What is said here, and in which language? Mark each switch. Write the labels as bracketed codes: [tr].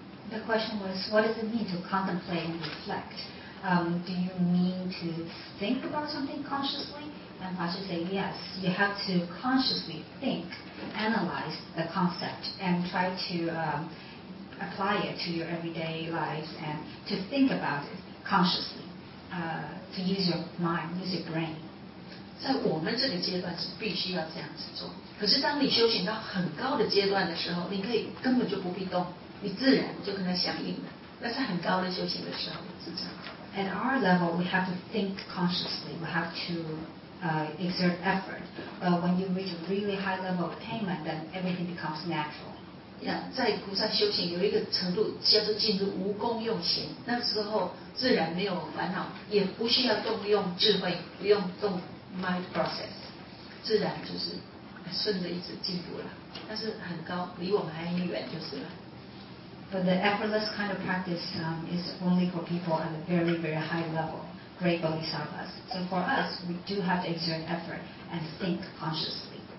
[en] The question was, what does it mean to contemplate and reflect? Do you mean to think about something consciously? And Pastor said, yes, you have to consciously think, analyze the concept, and try to. Apply it to your everyday lives and to think about it consciously. to use your mind, use your brain. [zh] 在我们这个阶段是必须要这样子做。可是当你修行到很高的阶段的时候，你可以根本就不必动，你自然就跟它相应了。那是很高的修行的时候，是这样。 [en] At our level, we have to think consciously. We have to exert effort. But when you reach a really high level of attainment, then everything becomes natural. [zh] Yeah, 在菩萨修行有一个程度叫做进入无功用行，那时候自然没有烦恼，也不需要动用智慧，不用动 [en] mind process， [zh] 自然就是顺着一直进步了。但是很高，离我们还很远，就是了。 [en] But the effortless kind of practice is only for people at a very, very high level, great bodhisattvas. So for us, we do have to exert effort and think consciously.